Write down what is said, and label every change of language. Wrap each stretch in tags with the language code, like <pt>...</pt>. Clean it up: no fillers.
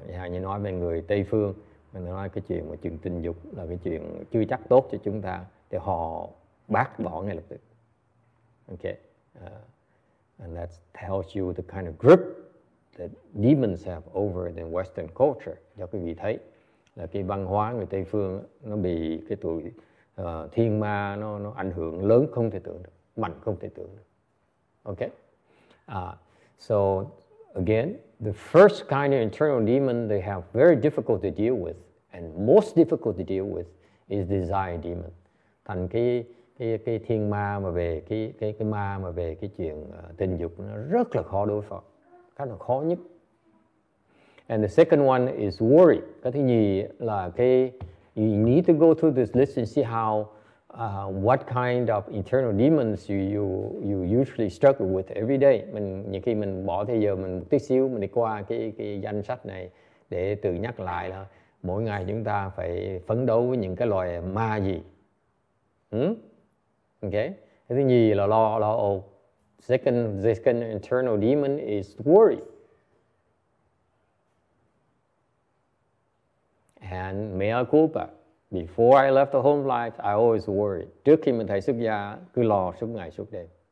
<vi>Như nói về người Tây phương, người nói cái chuyện mà chuyện tình dục là cái chuyện chưa chắc tốt cho chúng ta, thì họ bác bỏ ngay lập tức.</vi> <en>Okay, and that tells you the kind of grip that demons have over the Western culture.</en> <vi>Cho quý vị thấy là cái văn hóa người Tây phương nó bị cái tụi thiên ma nó ảnh hưởng lớn không thể tưởng được, mạnh không thể tưởng được.</vi> <en>Okay, so again, the first kind of internal demon they have very difficult to deal with, and most difficult to deal with is desire demon.</en> <vi>Thành cái thiên ma mà về cái ma mà về cái chuyện tình dục nó rất là khó đối phó, khá là khó nhất.</vi> <en>And the second one is worry.</en> <vi>Cái thứ nhì là cái</vi> <en>you need to go through this list and see how what kind of internal demons you usually struggle with every day.</en> <vi>Mình nhiều khi mình bỏ thời giờ mình một tí xíu mình đi qua cái danh sách này để tự nhắc lại là mỗi ngày chúng ta phải phấn đấu với những cái loài ma gì.</vi> <en>Okay.</en> <vi>Thứ nhì là lo âu.</vi> <en>Second internal demon is worry. And mea culpa. Before I left the home life, I always worried.</en> <vi>Trước khi mình thấy xuất gia, cứ lo suốt ngày suốt đêm.</vi>